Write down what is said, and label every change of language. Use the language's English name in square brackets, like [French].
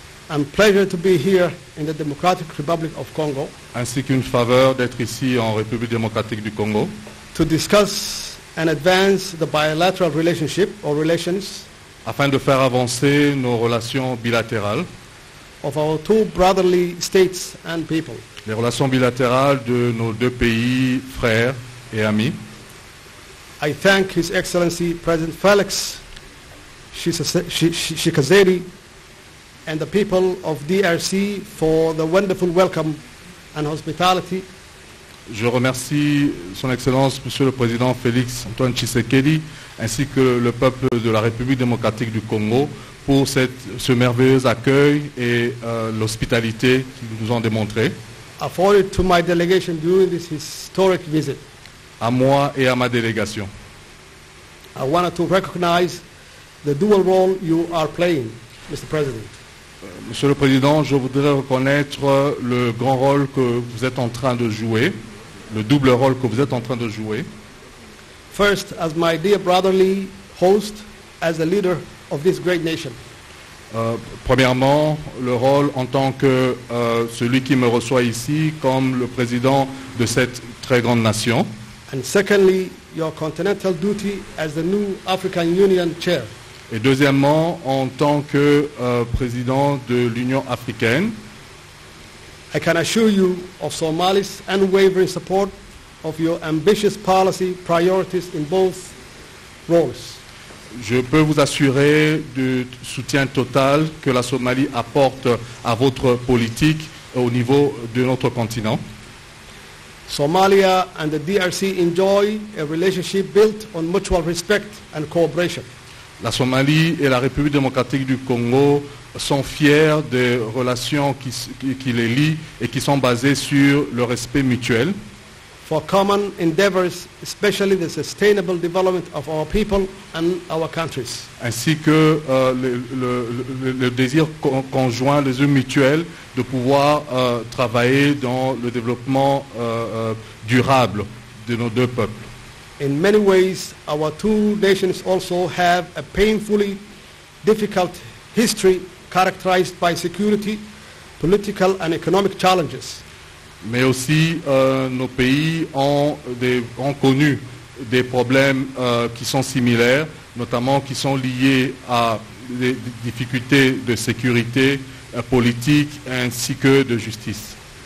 [English] And pleasure to be here in the Democratic Republic of Congo. [French] Ainsi qu'une faveur d'être ici en République démocratique du Congo. [English] To discuss and advance the bilateral relationship or relations. [French] Afin de faire avancer nos relations bilatérales. [English] Of our two brotherly states and people. [French] Les relations bilatérales de nos deux pays frères et amis. [English] I thank His Excellency President Félix Tshisekedi and the people of DRC for the wonderful welcome and hospitality. [French] Je remercie Son Excellence Monsieur le Président Félix Antoine Tshisekedi ainsi que le peuple de la République démocratique du Congo pour ce merveilleux accueil et l'hospitalité qu'ils nous ont démontré. [English] Afforded to my delegation during this historic visit. [French] À moi et à ma délégation. [English] I wanted to recognize the dual role you are playing, Mr. President. [French] Monsieur le Président, je voudrais reconnaître le grand rôle que vous êtes en train de jouer, le double rôle que vous êtes en train de jouer. [English] First, as my dear brotherly host, as the leader of this great nation. [French] Premièrement, le rôle en tant que celui qui me reçoit ici comme le président de cette très grande nation. [English] And secondly, your continental duty as the new African Union chair. [French] Et deuxièmement, en tant que président de l'Union africaine. [English] I can assure you of Somalia's unwavering support of your ambitious policy priorities in both roles. [French] Je peux vous assurer du soutien total que la Somalie apporte à votre politique au niveau de notre continent. [English] Somalia and the DRC enjoy a relationship built on mutual respect and cooperation. [French] La Somalie et la République démocratique du Congo sont fiers des relations qui les lient et qui sont basées sur le respect mutuel. [English] For common endeavors, especially the sustainable development of our people and our countries. [French] Ainsi que le désir conjoint, les yeux mutuels, de pouvoir travailler dans le développement durable de nos deux peuples. [English] In many ways, our two nations also have a painfully difficult history characterized by security, political and economic challenges. [French] Mais aussi, nos pays ont connu des problèmes qui sont similaires, notamment qui sont liés à des difficultés de sécurité politique ainsi que de justice.